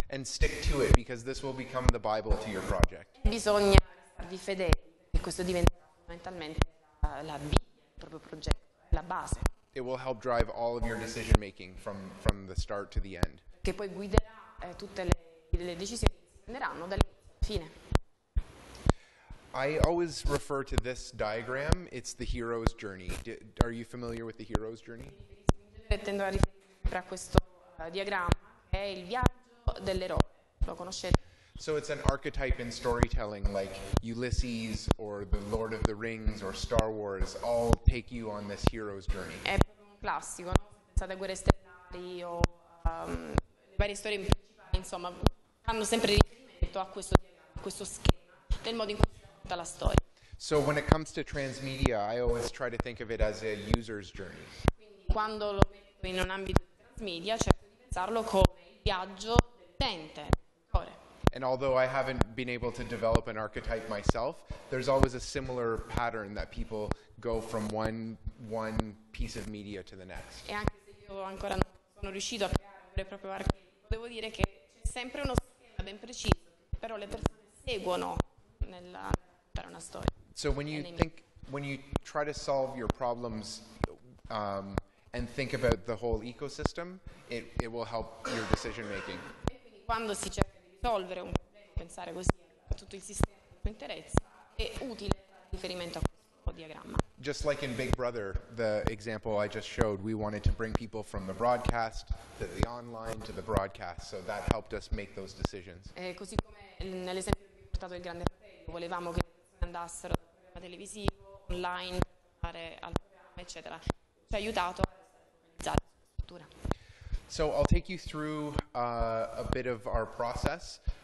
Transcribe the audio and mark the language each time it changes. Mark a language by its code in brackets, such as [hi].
[en] And stick to it, because this will become the Bible to your project. [it] E bisogna starvi fedeli, e questo diventerà fondamentalmente la Bibbia, il proprio progetto, la base. [en] It will help drive all of your decision making from the start to the end. [it] Che poi guiderà tutte le decisioni che prenderanno dall'inizio fine. [en] I always refer to this diagram. It's the hero's journey. Are you familiar with the hero's journey? [it] Tendo a riferire a questo diagramma che è il viaggio dell'eroe. Lo conoscete? [en] So it's an archetype in storytelling, like Ulysses or the Lord of the Rings or Star Wars, all take you on this hero's journey. [it] È un classico, no? Pensate a Guerre Stellari o le varie storie principali, insomma, hanno sempre riferimento a questo diagramma, a questo schema, nel modo in cui si racconta la storia. [en] So when it comes to transmedia, I always try to think of it as a user's journey. [it] Quindi quando lo metto in un ambito di transmedia, cerco di pensarlo come il viaggio dell'utente. [en] And although I haven't been able to develop an archetype myself, there's always a similar pattern that people go from one piece of media to the next. [it] E anche se io ancora non sono riuscito a creare il proprio archetipo, devo dire che c'è sempre uno schema ben preciso, però le persone seguono nella per una storia. [en] So when you try to solve your problems and think about the whole ecosystem, it will help your decision making. [it] Quando si cerca risolvere un problema, pensare così a tutto il sistema che ti interessa, è utile il riferimento a questo diagramma. [en] Just like in Big Brother, the example I just showed, we wanted to bring people from the broadcast to the online to the broadcast, so that helped us make those decisions. [it] E così come nell'esempio che ho portato il Grande Fratello, volevamo che andassero dal programma televisivo, online, fare al programma, eccetera, ci ha aiutato a realizzare la struttura. [en] So I'll take you through a bit of our process.